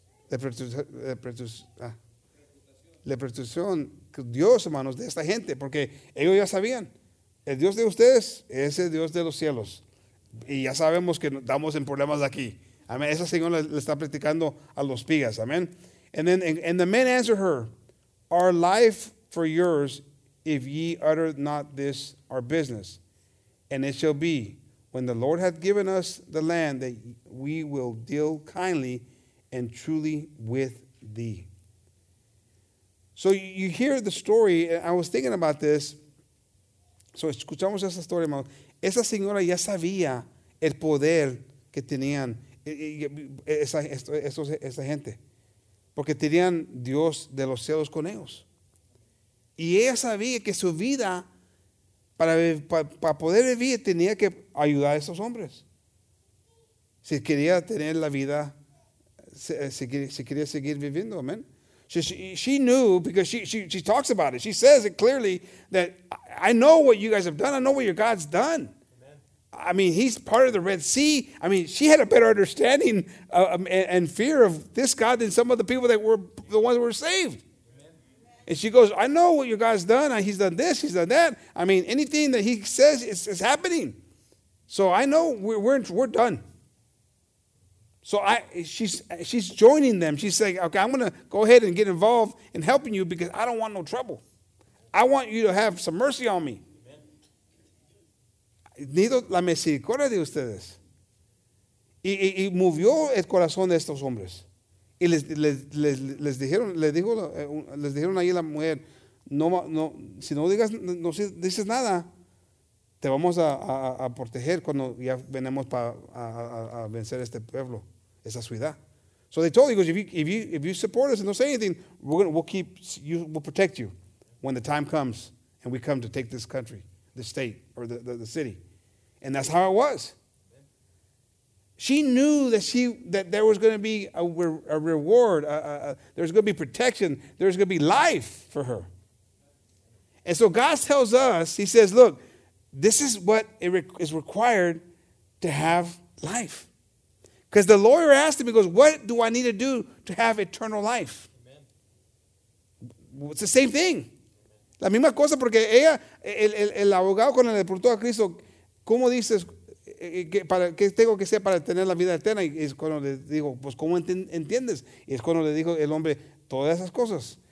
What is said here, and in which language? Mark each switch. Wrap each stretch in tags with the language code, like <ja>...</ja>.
<es>la protección que Dios, hermanos, de esta gente, porque ellos ya sabían, el Dios de ustedes es el Dios de los cielos. Y ya sabemos que estamos en problemas aquí. Amén. Esa señora le está platicando a los pigas. Amén.</es> <en>And then and the men answered her, "Our life for yours, if ye utter not this our business. And it shall be, when the Lord hath given us the land, that we will deal kindly and truly with thee." So you hear the story. I was thinking about this. So</en> <es>escuchamos esa historia, hermano. Esa señora ya sabía el poder que tenían esa gente. Porque tenían Dios de los cielos con ellos. Y ella sabía que su vida, para poder vivir, tenía que ayudar a esos hombres. Si quería tener la vida, si quería seguir viviendo, amén.</es> <en>She knew, because she talks about it. She says it clearly, that I know what you guys have done. I know what your God's done. I mean, he's part of the Red Sea. I mean, she had a better understanding and fear of this God than some of the people that were the ones who were saved. Amen. And she goes, I know what your God's done. He's done this. He's done that. I mean, anything that he says is happening. So I know we're done. So she's joining them. She's saying, okay, I'm going to go ahead and get involved in helping you, because I don't want no trouble. I want you to have some mercy on me.</en> <es>Necesito la misericordia de ustedes. Y movió el corazón de estos hombres. Y les dijeron ahí a la mujer, si no dices nada, te vamos a proteger cuando ya venemos a vencer este pueblo, esa ciudad.</es> <en>So they told him, if you support us and don't say anything, we'll protect you when the time comes and we come to take this country, the state, or the city. And that's how it was. She knew that there was going to be a reward. There's going to be protection. There's going to be life for her. And so God tells us, he says, look, this is what is required to have life. Because the lawyer asked him, he goes, what do I need to do to have eternal life? Amen. It's the same thing.</en> <es>La misma cosa, porque ella, el abogado cuando le preguntó a Cristo, ¿cómo dices, qué tengo que hacer para tener la vida eterna? Y es cuando le dijo, pues, ¿cómo entiendes? Y es cuando le dijo el hombre todas esas cosas.</es>